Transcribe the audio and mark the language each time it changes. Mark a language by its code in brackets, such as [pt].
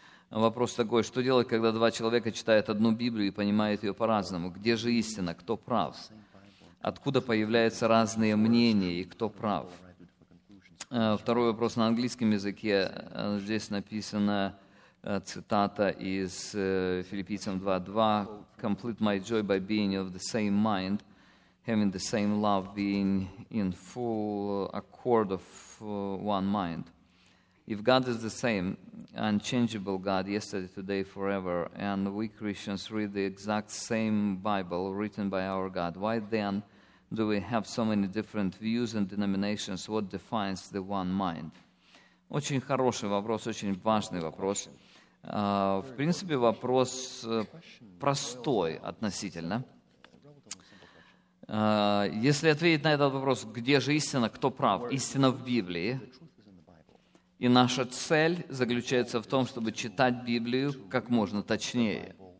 [ru] Вопрос такой, что делать, когда два человека читают одну Библию и понимают ее по-разному? Где же истина? Кто прав? Откуда появляются разные мнения и кто прав? Второй вопрос на английском языке. Здесь написана цитата из Филиппийцам 2:2. [en] Complete my joy by being of the same mind, having the same love, being in full accord of one mind. If God is the same, unchangeable God, yesterday, today, forever, and we Christians read the exact same Bible written by our God, why then do we have so many different views and denominations? What defines the one mind? [ru] Очень хороший вопрос, очень важный вопрос. В принципе, вопрос простой относительно. Если ответить на этот вопрос, где же истина, кто прав? Истина в Библии. И наша цель заключается в том, чтобы читать Библию как можно точнее.